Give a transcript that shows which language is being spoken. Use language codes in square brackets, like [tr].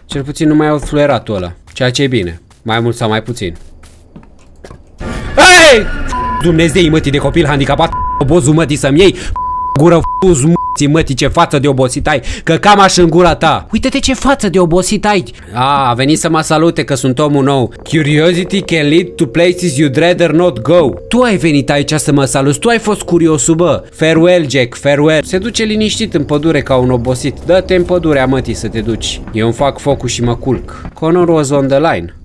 [ro] Cel puțin nu mai aud fluieratul ăla, ceea ce e bine, mai mult sau mai puțin. Hei! Dumnezei mătii de copil handicapat, obozul mătii să-mi iei, gură mătii, mătii ce față de obosit ai, că cam aș în gura ta. Uite-te ce față de obosit ai. A venit să mă salute că sunt omul nou. [en] Curiosity can lead to places you'd rather not go. [ro] Tu ai venit aici să mă salut, tu ai fost curios, bă. [en] Farewell, Jack, farewell. [ro] Se duce liniștit în pădure ca un obosit. Dă-te în pădurea mătii să te duci. Eu îmi fac focul și mă culc. [en] Connor was on the line.